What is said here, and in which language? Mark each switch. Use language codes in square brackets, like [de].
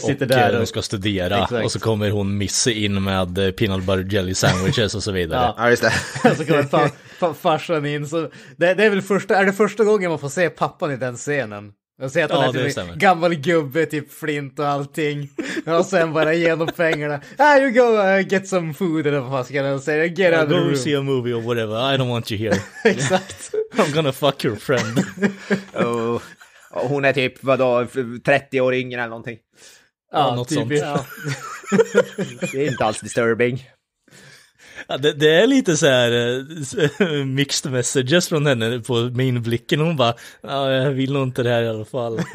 [sv] sitter och där och ska studera. Exakt. Och så kommer hon missa in med peanut butter jelly sandwiches och så vidare. Ja, just det. Och så kommer farsan in, så det är väl första gången man får se pappan i den scenen. Jag ser att han är typ gammal gubbe, typ flint och allting. Och sen bara genom pengarna. [en] You go get some food, [sv] eller vad fan ska jag säga. [en] Get out of the room. Go see a movie or whatever. I don't want you here. [sv] Exakt. [en] I'm gonna fuck your friend. Oh. [sv] Hon är typ, vadå, 30 år yngre eller någonting. Ja, något typ sånt. Ja. Det är inte alls disturbing. Ja, det är lite så här mixed messages från henne på min blicken. Hon bara, jag vill nog inte det här i alla fall.